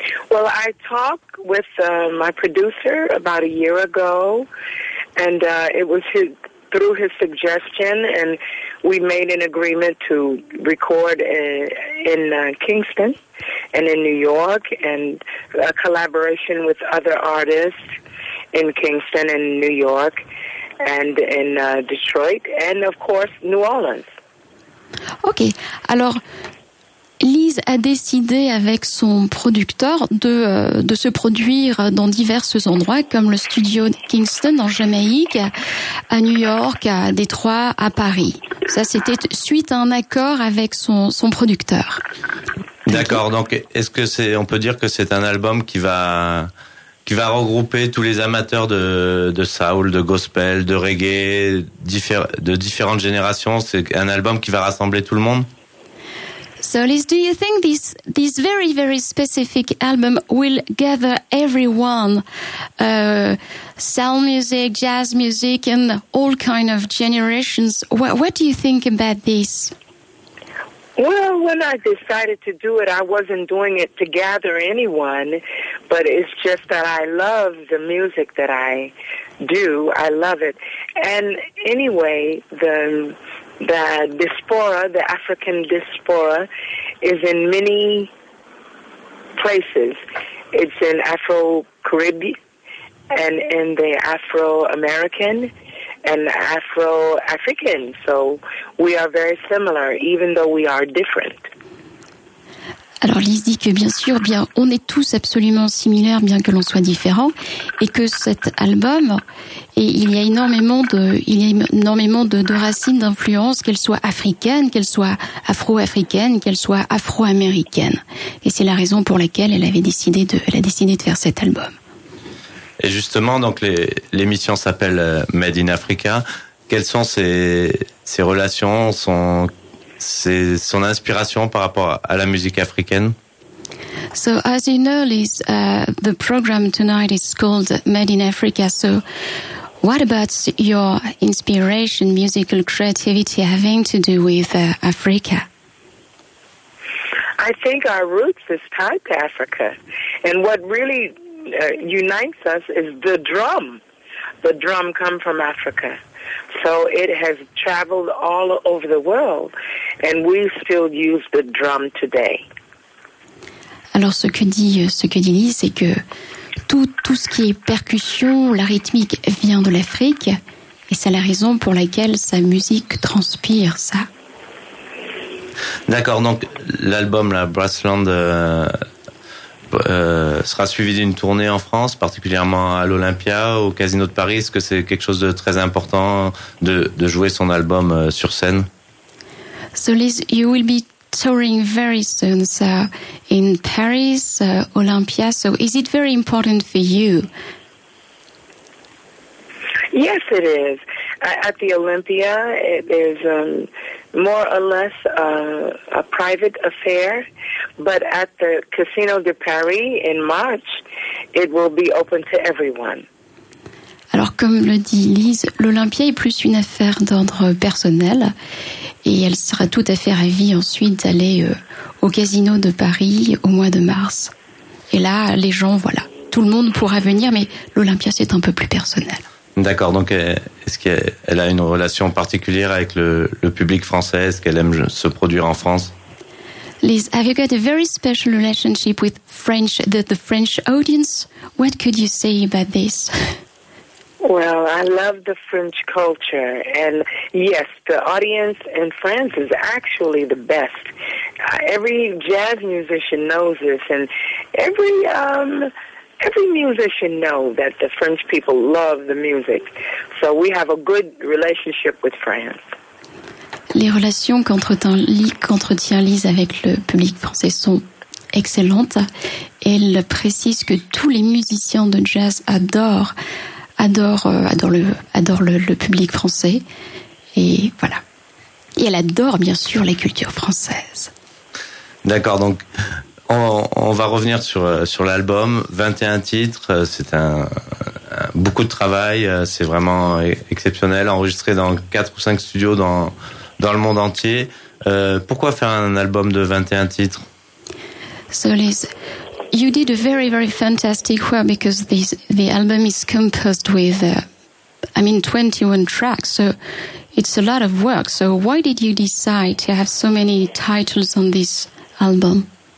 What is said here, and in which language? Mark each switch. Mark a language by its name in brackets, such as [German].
[English] Well, I talked with my producer about a year ago, and it was through his suggestion, and we made an agreement to record in Kingston and in New York, and a collaboration with other artists in Kingston and New York and in Detroit and, of course, New Orleans. Okay. [French] Alors, Liz a décidé avec son producteur de se produire dans divers endroits comme le studio Kingston en Jamaïque, à New York, à Détroit, à Paris. Ça, c'était suite à un accord avec son producteur. D'accord. Donc, est-ce que c'est, on peut dire que c'est un album qui va regrouper tous les amateurs de soul, de gospel, de reggae, de différentes générations. C'est un album qui va rassembler tout le monde. [English] So, Liz, do you think this very, very specific album will gather everyone, soul music, jazz music, and all kind of generations? What do you think about this? Well, when I decided to do it, I wasn't doing it to gather anyone, but it's just that I love the music that I do. I love it. And anyway, the diaspora, the African diaspora, is in many places. It's in Afro-Caribbean and in the Afro-American and Afro-African. So we are very similar, even though we are different. [French] Alors, Liz dit que bien sûr, bien, on est tous absolument similaires, bien que l'on soit différent, et que cet album, et il y a énormément de racines d'influence, qu'elles soient africaines, qu'elles soient afro-africaines, qu'elles soient afro-américaines. Et c'est la raison pour laquelle elle a décidé de faire cet album. Et justement, donc, l'émission s'appelle Made in Africa. Quelles sont ses relations, c'est son inspiration par rapport à la musique africaine. [English] So, as you know, Liz, the program tonight is called Made in Africa. So, what about your inspiration, musical creativity having to do with Africa? I think our roots is tied to Africa. And what really unites us is the drum. The drum come from Africa. So it has traveled all over the world, and we still use the drum today. [French] Alors, ce que dit Liz, c'est que tout ce qui est percussion, la rythmique, vient de l'Afrique, et c'est la raison pour laquelle sa musique transpire ça. D'accord. Donc, l'album, la Brassland, sera suivi d'une tournée en France, particulièrement à l'Olympia, au Casino de Paris. Est-ce que c'est quelque chose de très important de jouer son album sur scène? [English] So Liz, you will be touring very soon, so in Paris, Olympia. So is it very important for you? Yes, it is. At the Olympia, it is more or less a private affair. But at the Casino de Paris in March, it will be open to everyone. [French] Alors, comme le dit Liz, l'Olympia est plus une affaire d'ordre personnel. Et elle sera tout à fait ravie ensuite d'aller au Casino de Paris au mois de mars. Et là, les gens, voilà, tout le monde pourra venir, mais l'Olympia, c'est un peu plus personnel. D'accord, donc est-ce qu'elle a une relation particulière avec le public français? Est-ce qu'elle aime se produire en France? [English] Liz, have you got a very special relationship with French, the French audience? What could you say about this? Well, I love the French culture. And yes, the audience in France is actually the best. Every jazz musician knows this, and every musician know that the French people love the music. So we have a good relationship with France. [French] Les relations qu'entretient Liz avec le public français sont excellentes. Elle précise que tous les musiciens de jazz adorent le public français. Et voilà. Et elle adore, bien sûr, les cultures françaises. D'accord, donc on va revenir sur l'album. 21 titres, c'est beaucoup de travail. C'est vraiment exceptionnel, enregistré dans 4 ou 5 studios dans le monde entier. Pourquoi faire un album de 21 titres? [English] So Liz, you did a very, very fantastic work because the album is composed with, 21 tracks, so it's a lot of work. So why did you decide to have so many titles on this album?